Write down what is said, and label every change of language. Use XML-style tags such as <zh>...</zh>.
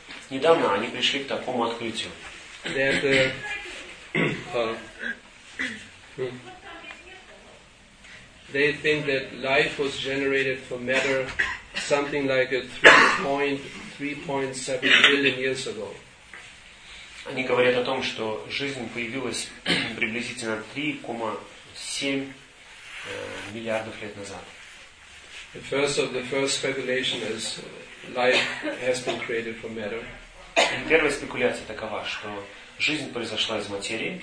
<ru>Недавно они пришли к такому открытию.</ru> <en>That, they think that life was generated from matter something like a 3.7 billion years ago.</en> <ru>Они говорят о том, что жизнь появилась приблизительно 3.7 миллиардов лет назад.</ru> <en>The first speculation is life has been created from matter.</en> <ru>Первая спекуляция такова, что жизнь произошла из материи.</ru>